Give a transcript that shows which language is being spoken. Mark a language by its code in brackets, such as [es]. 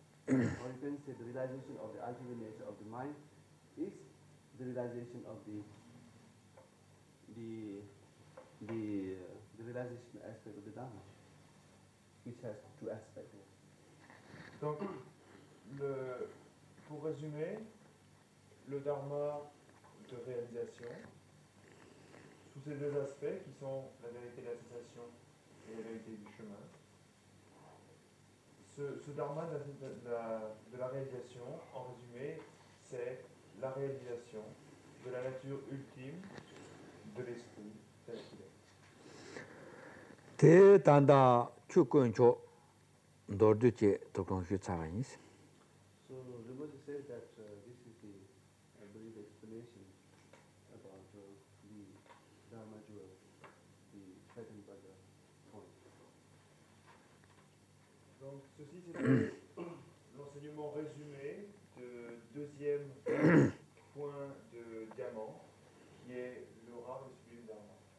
[en] or you can say the realization of the ultimate nature of the mind is the realization of the realization aspect of the Dharma, which has two aspects. [fr] Donc, pour résumer, le Dharma de réalisation, sous ces deux aspects qui sont la vérité de la cessation et la vérité du chemin, ce Dharma de la réalisation, en résumé, c'est la réalisation de la nature ultime de l'esprit tel qu'il est. Te tanda chukun cho dordu che tokon shu tsara yin. [en] So Rinpoche says that this is the brief explanation about the Dharma jewel, the second Buddha point. [fr] Donc ceci c'est l'enseignement résumé de deuxième point de diamant qui est le rare et sublime Dharma.